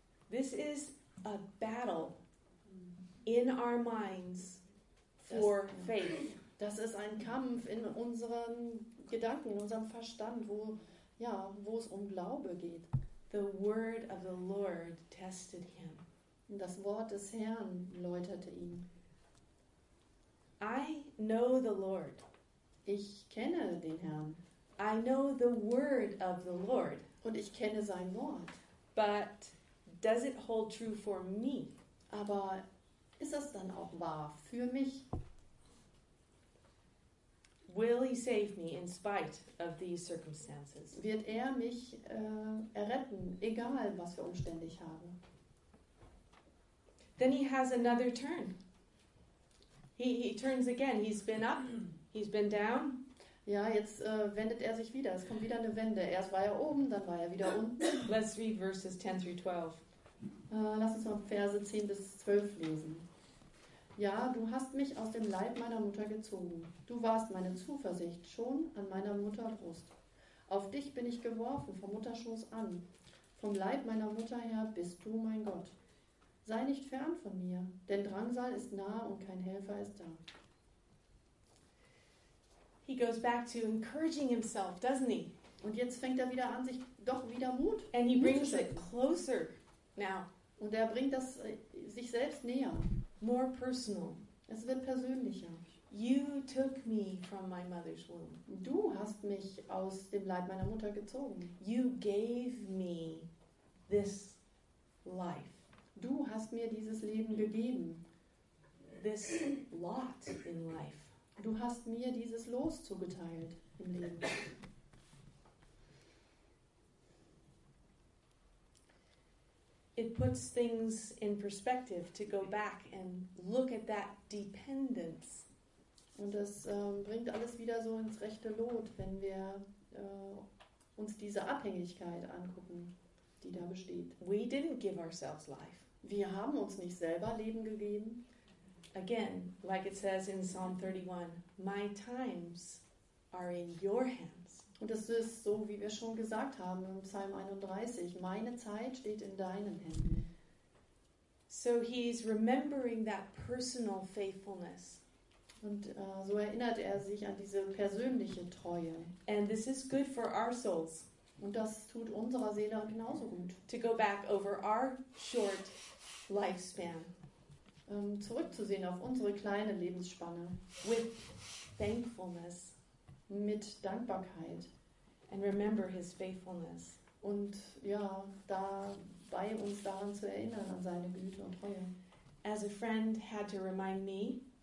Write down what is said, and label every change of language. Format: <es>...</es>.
<en>This is a battle in our minds for faith.</en> <de>Das ist ein Kampf in unseren Gedanken, in unserem Verstand, wo, ja, wo es um Glaube geht.</de> <en>The word of the Lord tested him.</en> <de>Das Wort des Herrn läuterte ihn.</de> <en>I know the Lord.</en> <de>Ich kenne den Herrn.</de> <en>I know the word of the Lord.</en> <de>Und ich kenne sein Wort.</de> <en>But does it hold true for me?</en> <de>Aber ist das dann auch wahr für mich?</de> <en>Will he save me in spite of these circumstances?</en> <de>Wird er mich erretten, egal was für Umstände ich habe?</de> <en>Then he has another turn. He turns again. He's been up. He's been down.</en> <de>Ja, jetzt wendet er sich wieder. Es kommt wieder eine Wende. Erst war er oben, dann war er wieder unten.</de> <en>Let's read verses 10 through 12.</en> <de>Lass uns mal Verse 10 bis 12 lesen. Ja, du hast mich aus dem Leib meiner Mutter gezogen. Du warst meine Zuversicht schon an meiner Mutterbrust. Auf dich bin ich geworfen vom Mutterschoß an. Vom Leib meiner Mutter her bist du mein Gott. Sei nicht fern von mir, denn Drangsal ist nah und kein Helfer ist da.</de> <en>He goes back to encouraging himself, doesn't he?</en> <de>Und jetzt fängt er wieder an, sich doch wieder Mut.</de> <en>And he brings it closer now.</en> <de>Und er bringt das sich selbst näher.</de> <en>More personal.</en> <de>Es wird persönlicher.</de> <en>You took me from my mother's womb.</en> <de>Du hast mich aus dem Leib meiner Mutter gezogen.</de> <en>You gave me this life.</en> <de>Du hast mir dieses Leben gegeben.</de> <en>This lot in life.</en> <de>Du hast mir dieses Los zugeteilt im Leben.</de> <en>It puts things in perspective to go back and look at that dependence.</en> <de>Und das bringt alles wieder so ins rechte Lot, wenn wir uns diese Abhängigkeit angucken, die da besteht.</de> <en>We didn't give ourselves life.</en> <de>Wir haben uns nicht selber Leben gegeben.</de> <en>Again, like it says in Psalm 31, my times are in your hands.</en> <de>Und das ist so, wie wir schon gesagt haben im Psalm 31, meine Zeit steht in deinen Händen.</de> <en>So he's remembering that personal faithfulness.</en> <de>Und so erinnert er sich an diese persönliche Treue.</de> <en>And this is good for our souls.</en> <de>Und das tut unserer Seele genauso gut.</de> <en>To go back over our short lifespan.</en> <de>Zurückzusehen auf unsere kleine Lebensspanne.</de> <en>With thankfulness.</en> <de>Mit Dankbarkeit.</de> <en>And remember his faithfulness.</en> <de>Und ja, dabei uns daran zu erinnern, an seine Güte und Treue.</de> <en>As a friend had to remind me.</en>